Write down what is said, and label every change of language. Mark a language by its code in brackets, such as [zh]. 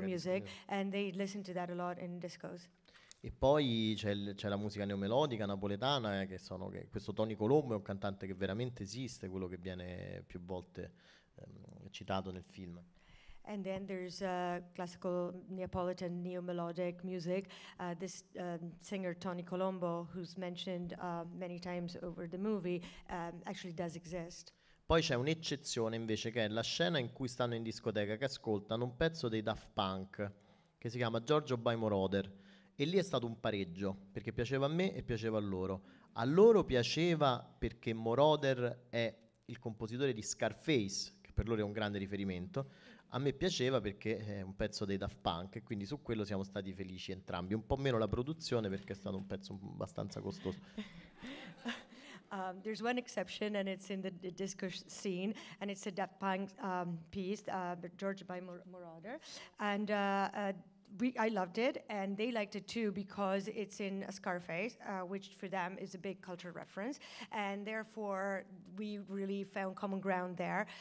[en] music, and they listen to that a lot in discos. [it] E poi c'è la musica neomelodica napoletana, che questo Tony Colombo è un cantante che veramente esiste, quello che viene più volte citato nel film. [en] And then there's classical Neapolitan neomelodic music, this singer Tony Colombo, who's mentioned many times over the movie, actually does exist. [it] Poi c'è un'eccezione invece, che è la scena in cui stanno in discoteca, che ascoltano un pezzo dei Daft Punk, che si chiama Giorgio by Moroder. E lì è stato un pareggio, perché piaceva a me e piaceva a loro. A loro piaceva perché Moroder è il compositore di Scarface, che per loro è un grande riferimento. A me piaceva perché è un pezzo dei Daft Punk, e quindi su quello siamo stati felici entrambi. Un po' meno la produzione, perché è stato un pezzo abbastanza costoso. [en] There's one exception, and it's in the disco scene, and it's a Daft Punk piece, George by Moroder, and I loved it, and they liked it too, because it's in a Scarface, which for them is a big cultural reference, and therefore we really found common ground there.